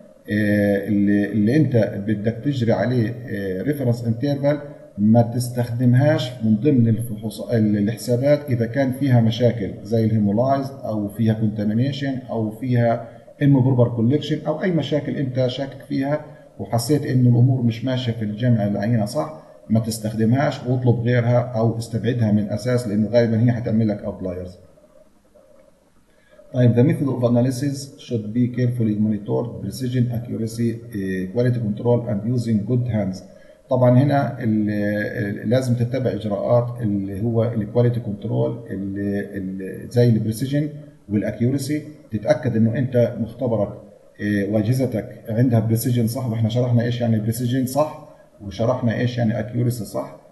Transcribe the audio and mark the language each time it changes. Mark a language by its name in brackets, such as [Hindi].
[Arabic] اللي انت بدك تجري عليه ريفرنس انترفال ما تستخدمهاش من ضمن الفحوص الحسابات اذا كان فيها مشاكل زي الهيمولايز او فيها كونتامينيشن او فيها الموبربر كولكشن او اي مشاكل انت شاكك فيها وحسيت ان الامور مش ماشيه في الجمع العينه صح، ما تستخدمهاش واطلب غيرها او استبعدها من اساس، لانه غالبا هي هتعمل لك اوتلايرز. [English] طيب the method of analysis should be carefully monitored, precision, accuracy, quality control and using good hands. [Arabic] طبعا هنا لازم تتبع اجراءات اللي هو الكواليتي كنترول زي البريسيجن والاكيوريسي، تتاكد انه انت مختبرك واجهزتك عندها بريسيجن صح، واحنا شرحنا ايش يعني بريسيجن صح وشرحنا ايش يعني اكيوريسي صح.